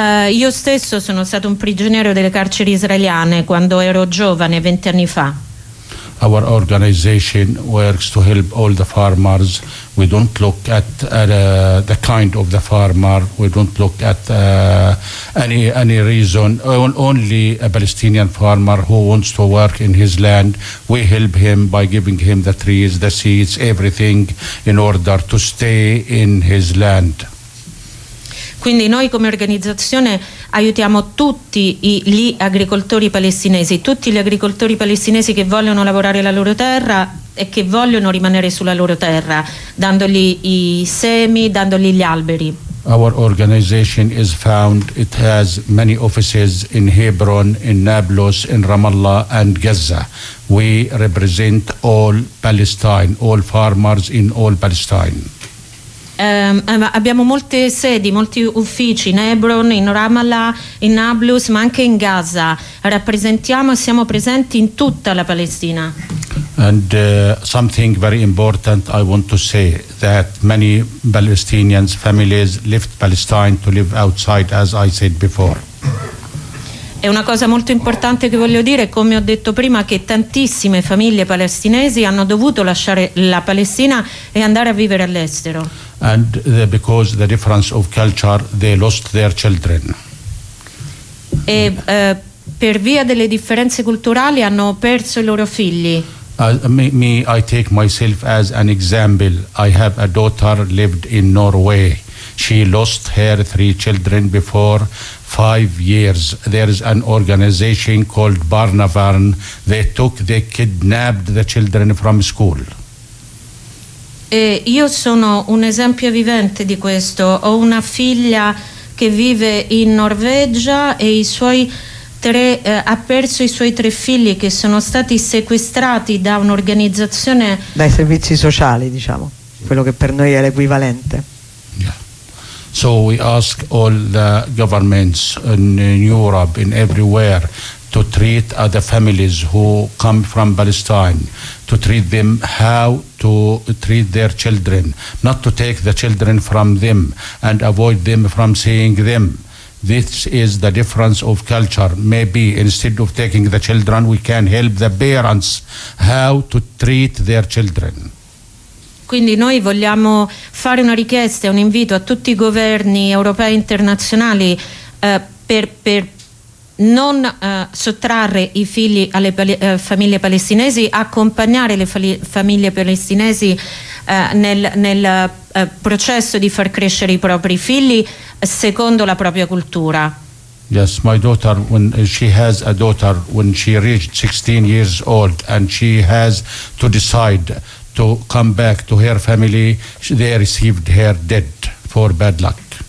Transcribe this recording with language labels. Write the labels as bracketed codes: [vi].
[it] Io stesso sono stato un prigioniero delle carceri israeliane quando ero giovane, 20 anni fa. [en] Our organization works to help all the farmers. We don't look at the kind of the farmer. We don't look at any reason. Only a Palestinian farmer who wants to work in his land, we help him by giving him the trees, the seeds, everything in order to stay in his land. [it] Quindi noi come organizzazione aiutiamo tutti gli agricoltori palestinesi, tutti gli agricoltori palestinesi che vogliono lavorare la loro terra e che vogliono rimanere sulla loro terra, dandogli i semi, dandogli gli alberi. [en] Our organization is found, it has many offices in Hebron, in Nablus, in Ramallah and Gaza. We represent all Palestine, all farmers in all Palestine. [it] Abbiamo molte sedi, molti uffici in Hebron, in Ramallah, in Nablus, ma anche in Gaza. Rappresentiamo e siamo presenti in tutta la Palestina. [en] And something very important I want to say, that many Palestinians families left Palestine to live outside, as I said before. [it] È una cosa molto importante che voglio dire, come ho detto prima, che tantissime famiglie palestinesi hanno dovuto lasciare la Palestina e andare a vivere all'estero. [en] And because the difference of culture, they lost their children. [it] E per via delle differenze culturali hanno perso i loro figli. [en] I take myself as an example. I have a daughter lived in Norway. She lost her three children before 5 years. There is an organization called Barnevern. They kidnapped the children from school. [it] E io sono un esempio vivente di questo. Ho una figlia che vive in Norvegia e ha perso i suoi tre figli che sono stati sequestrati da un'organizzazione, dai servizi sociali, diciamo, quello che per noi è l'equivalente. [en] So we ask all the governments in Europe, in everywhere, to treat other families who come from Palestine, to treat them how to treat their children, not to take the children from them and avoid them from seeing them. This is the difference of culture. Maybe instead of taking the children, we can help the parents how to treat their children. [it] Quindi noi vogliamo fare una richiesta e un invito a tutti i governi europei e internazionali per non sottrarre i figli alle famiglie palestinesi, accompagnare le famiglie palestinesi nel processo di far crescere i propri figli secondo la propria cultura. [en] Yes, my daughter, when she has a daughter, when she reached 16 years old and she has to decide to come back to her family, they received her dead for bad luck.